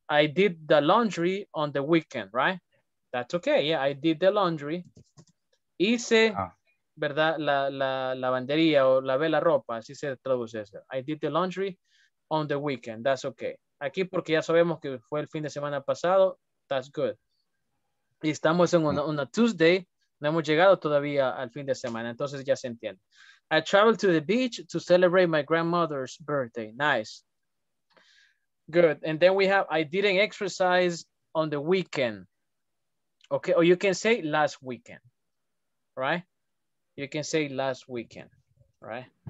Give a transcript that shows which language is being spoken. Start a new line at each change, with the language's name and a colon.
English: I did the laundry on the weekend, right? That's okay, yeah, I did the laundry.
Spanish: Hice, ah. ¿Verdad? La lavandería o lavé la ropa, así se traduce eso.
English: I did the laundry on the weekend, that's okay.
Spanish: Aquí porque ya sabemos que fue el fin de semana pasado,
English: that's good.
Spanish: Y estamos en una Tuesday, no hemos llegado todavía al fin de semana, entonces ya se entiende.
English: I traveled to the beach to celebrate my grandmother's birthday. Nice. Good. And then we have, I didn't exercise on the weekend. Okay. Or you can say last weekend. Right? You can say last weekend. Right?